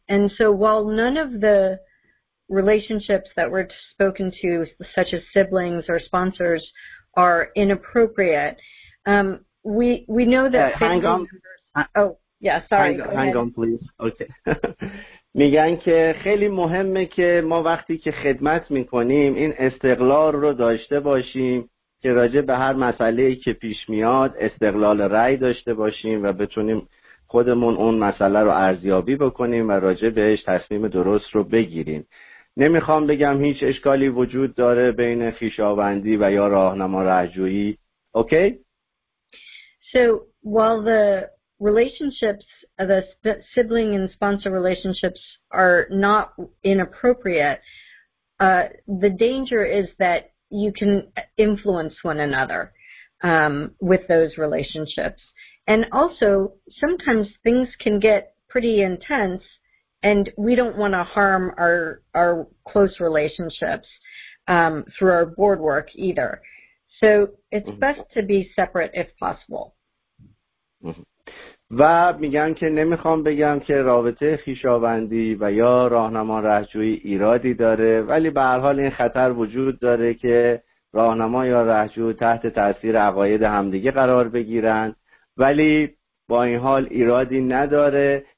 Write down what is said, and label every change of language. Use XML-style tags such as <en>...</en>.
<en>And so while none of the relationships that were spoken to, such as siblings or sponsors, are inappropriate, we know that... Hang on. Oh, yeah, sorry. Hang on, please. Okay.</en> <fa>میگن که خیلی مهمه که ما وقتی که خدمت میکنیم این استقلال رو داشته باشیم که راجع به هر مسئله‌ای که پیش میاد استقلال رأی داشته باشیم و بتونیم خودمون اون مسئله رو ارزیابی بکنیم و راجع بهش تصمیم درست رو بگیریم. نمیخوام بگم هیچ اشکالی وجود داره بین خیشاوندی و یا راهنما رهجویی. اوکی؟</fa> <en>So while the relationships, the sibling and sponsor relationships are not inappropriate, the danger is that you can influence one another with those relationships. And also, sometimes things can get pretty intense and we don't want to harm our close relationships through our board work either. So it's best to be separate if possible.</en> <fa>و میگم که نمیخوام بگم که رابطه خیشاوندی و یا راهنما رهجویی ایرادی داره، ولی به هر حال این خطر وجود داره که راهنما یا رهجو تحت تاثیر عقاید همدیگه قرار بگیرن، ولی با این حال ایرادی نداره.</fa>